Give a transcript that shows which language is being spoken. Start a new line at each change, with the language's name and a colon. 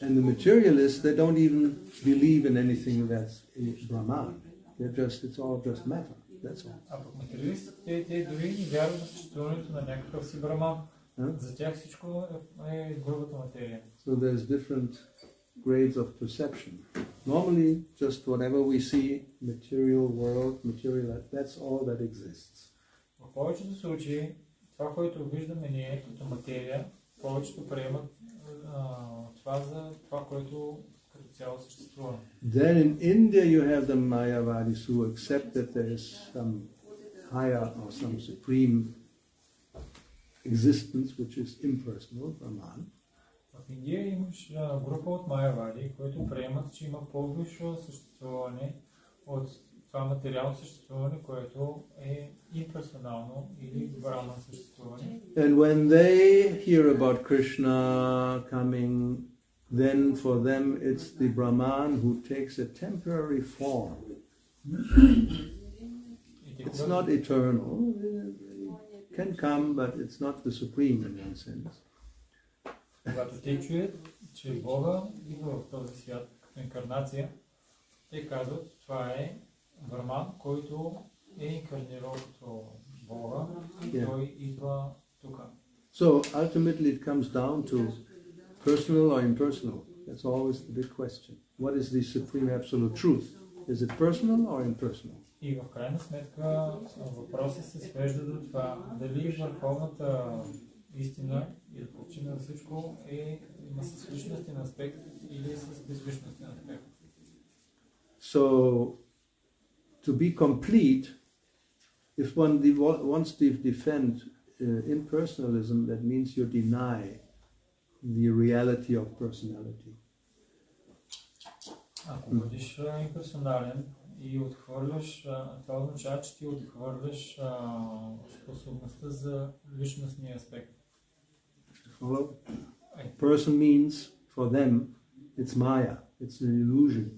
English: And the materialists, they don't even believe in anything that's Brahman. It's all just matter. That's all.
Bulgarian: А пък материалистите, те дори не вярват в съществуването на някакъв си Брахман. За тях всичко е грубата материя.
English: So there's different grades of perception. Normally, just whatever we see, material world, material, that's all that exists.
Bulgarian: В повечето случаи, това, което виждаме ние като материя, повечето приемат това за това, което като цяло съществува.
English: Then in India you have the Mayavadis who accept that there is some higher or some supreme existence which is impersonal, Brahman.
Bulgarian: В Индия имаш група от майявади, които приемат, че има по-висше съществуване от това материално съществуване, което е имперсонално или брахмано съществуване.
English: And when they hear about Krishna coming, then for them it's the Brahman who takes a temporary form. It's not eternal. It can come, but it's not the supreme in one sense.
Bulgarian: Когато те чуят, че Бога идва в този свят като инкарнация, те казват, това е Брахман, който е инкарнирал като Бога и той идва тук.
English: So ultimately it comes down to personal or impersonal. That's always the big question. What is the supreme absolute truth? Is it personal or impersonal?
Bulgarian: И в крайна сметка въпросът се свежда до това, дали върховната истина и отпочи на всичко е има с личностен аспект или с безличностен аспект.
English: So, to be complete, if one wants to defend impersonalism, that means you deny the reality of personality.
Bulgarian: Ако бъдеш имперсонален и отхвърляш, това означава, че ти отхвърляш способността за личностния аспект.
English: Hello? Person means for them it's Maya. It's an illusion.